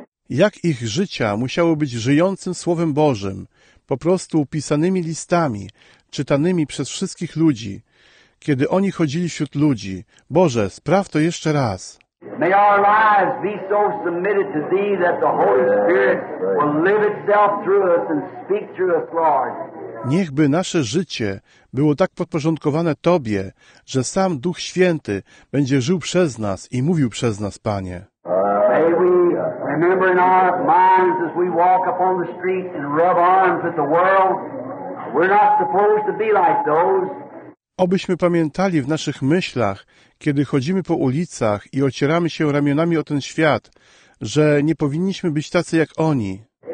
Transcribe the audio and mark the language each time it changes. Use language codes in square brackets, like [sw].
[pl] Jak ich życia musiały być żyjącym Słowem Bożym, po prostu pisanymi listami, czytanymi przez wszystkich ludzi, kiedy oni chodzili wśród ludzi. Boże, spraw to jeszcze raz. [en] May our lives be so submitted to Thee that the Holy Spirit will live itself through us and speak through us, Lord. [pl] Niechby nasze życie było tak podporządkowane Tobie, że sam Duch Święty będzie żył przez nas i mówił przez nas, Panie. [en] May we remember in our minds as we walk upon the street and rub arms with the world, we're not supposed to be like those. [pl] Obyśmy pamiętali w naszych myślach, kiedy chodzimy po ulicach i ocieramy się ramionami o ten świat, że nie powinniśmy być tacy jak oni.